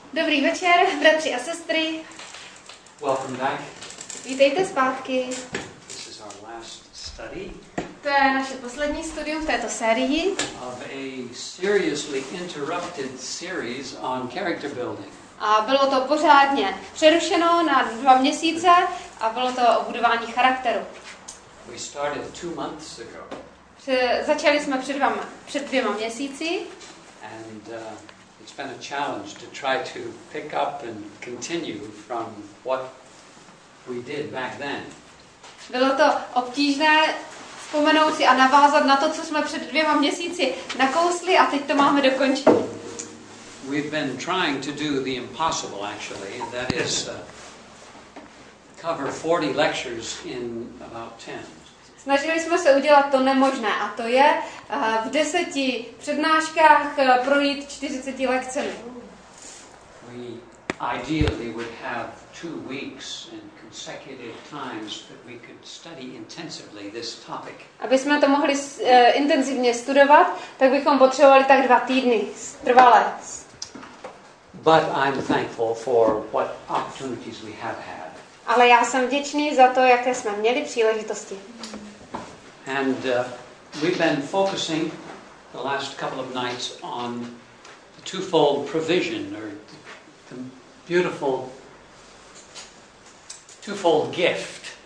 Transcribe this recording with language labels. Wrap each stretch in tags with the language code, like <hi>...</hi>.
<cs>Dobrý večer, bratři a sestry.</cs> <en>Welcome back.</en> <cs>Vítejte zpátky.</cs> <en>This is our last study.</en> <cs>To je naše poslední studium v této sérii.</cs> <en>Of a seriously interrupted series on character building.</en> <cs>A bylo to pořádně přerušeno na 2 měsíce a bylo to o budování charakteru.</cs> <en>We started 2 months ago.</en> <cs>Začali jsme před 2 měsíci.</cs> <en>And it's been a challenge to try to pick up and continue from what we did back then.</en> <cs>Bylo to obtížné vzpomenout si a navázat na to, co jsme před 2 měsíci nakousli a teď to máme dokončit.</cs> <en>We've been trying to do the impossible, actually, and that is cover 40 lectures in about 10.</en> <cs>Snažili jsme se udělat to nemožné, a to je v 10 přednáškách projít 40 lekcemi.</cs> <en>We ideally would have 2 weeks in consecutive times that we could study intensively this topic.</en> <cs>Aby jsme to mohli intenzivně studovat, tak bychom potřebovali tak 2 týdny trvale.</cs> <en>But I'm thankful for what opportunities we have had.</en> <cs>Ale já jsem vděčný za to, jaké jsme měli příležitosti.</cs> <en>And we've been focusing the last couple of nights on the twofold provision, or the beautiful twofold gift.</en>